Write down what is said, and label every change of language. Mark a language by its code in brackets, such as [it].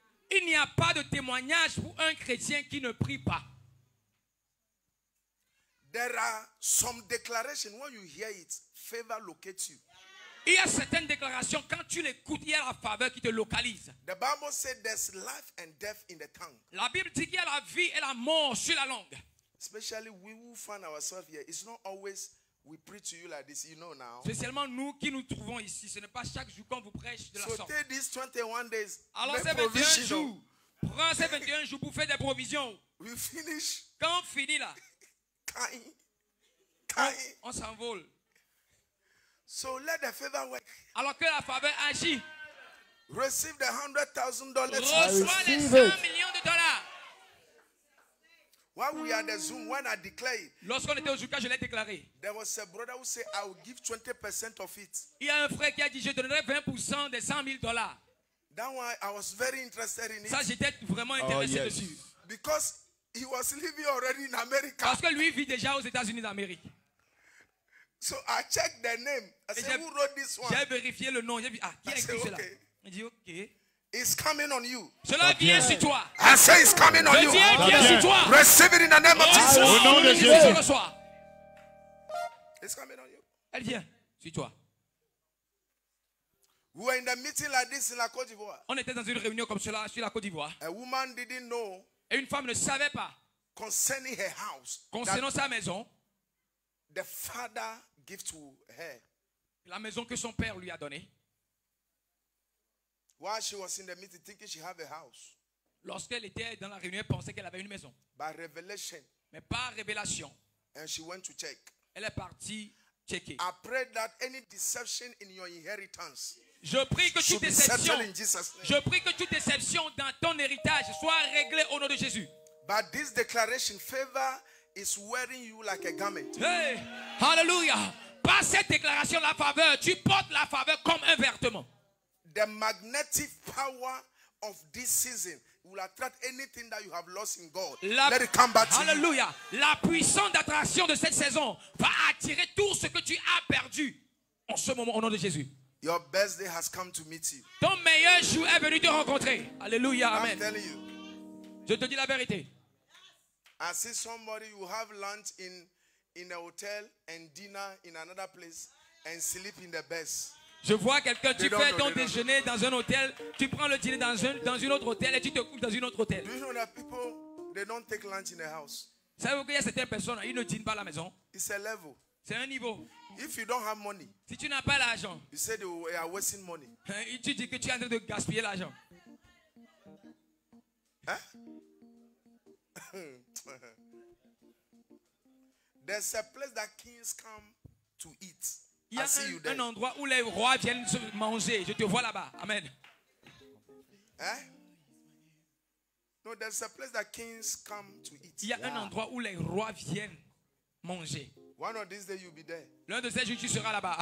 [fr] Il n'y a pas de témoignage pour un chrétien qui ne prie pas. [en] There are some declarations when you hear it, favor locates you. [fr] Il y a certaines déclarations quand tu l'écoutes, il y a la faveur qui te localise. [en] The Bible says there's life and death in the tongue. [fr] La Bible dit qu'il y a la vie et la mort sur la langue. [en] Especially we who find ourselves here, it's not always we preach to you like this, you know now. [fr] Spécialement nous qui nous trouvons ici, ce n'est pas chaque jour qu'on vous prêche de la sorte. [en] So take these 21 days. [fr] Alors ces 21 jours, prends ces 21 jours pour faire des provisions. [en] We finish. [fr] Quand on finit là, Caïn, Caïn, on s'envole. [en] So let the favor work. [fr] Alors que la faveur agit. [en] Receive the $100,000. [fr] Reçois les 100 millions de dollars. [en] While we are at Zoom, when I declare it, [fr] lorsqu'on était au Zoom, je l'ai déclaré. [en] There was a brother who said, "I will give 20% of it." [fr] Il y a un frère qui a dit, je donnerai 20% des 100 000 dollars. [en] That one, I was very interested in it. [fr] Ça, j'étais vraiment intéressé dessus. [en] Because he was living already in America. [fr] Parce que lui vit déjà aux États-Unis d'Amérique. [en] So I checked the name. I said, "Who wrote this one?" [fr] J'ai vérifié le nom. J'ai dit, ah, qui a écrit cela? Il dit, OK. [en] It's coming on you. [fr] Cela vient sur toi. [en] I say it's coming on you. [fr] Cela vient sur toi. [en] Receive it in the name of Jesus. [fr] Au nom de Jésus. [en] It's coming on you. [fr] Elle vient sur toi. [en] We were in a meeting like this in La Côte d'Ivoire. [fr] On était dans une réunion comme cela sur la Côte d'Ivoire. [en] A woman didn't know. [fr] Et une femme ne savait pas. [en] Concerning her house. [fr] Concernant sa maison. [en] The father gave to her. [fr] La maison que son père lui a donnée. [en] While she was in the meeting, thinking she had a house. [fr] Lorsqu'elle était dans la réunion, elle pensait qu'elle avait une maison. [en] By revelation. [fr] Mais par révélation. [en] And she went to check. [fr] Elle est partie checker. [en] I pray that any deception in your inheritance. [fr] Je prie que toute déception. Je prie que toute déception dans ton héritage soit réglée au nom de Jésus. [en] But this declaration, favor is wearing you like a garment. Hey, hallelujah! [fr] Par cette déclaration, la faveur, tu portes la faveur comme un vêtement. [en] The magnetic power of this season will attract anything that you have lost in God. Let it come back to you. Hallelujah. [fr] La puissance d'attraction de cette saison va attirer tout ce que tu as perdu en ce moment au nom de Jésus. [en] Your best day has come to meet you. [fr] Ton meilleur jour est venu te rencontrer. Hallelujah. Amen. [en] I'm telling you. [fr] Je te dis la vérité. [en] I see somebody who have lunch in a hotel and dinner in another place and sleep in the best. [fr] Je vois quelqu'un, tu fais ton déjeuner dans un hôtel, tu prends le dîner dans un autre hôtel et tu te couches dans un autre hôtel. Savez-vous qu'il y a certaines personnes, ils ne dînent pas à la maison. [en] It's a level. [fr] C'est un niveau. [en] If you don't have money, [fr] si tu n'as pas l'argent, [en] you said you are wasting money. [fr] Et tu dis que tu es en train de gaspiller l'argent. Hein? [en] There's a place that kings come to eat. [fr] Il y a un endroit où les rois viennent se manger. Je te vois là-bas. Amen. Eh? [en] No, there's a place that kings come to eat. [fr] Il y a un endroit où les rois viennent manger. [en] One of these days you'll be there. [fr] L'un de ces jours, tu seras là-bas.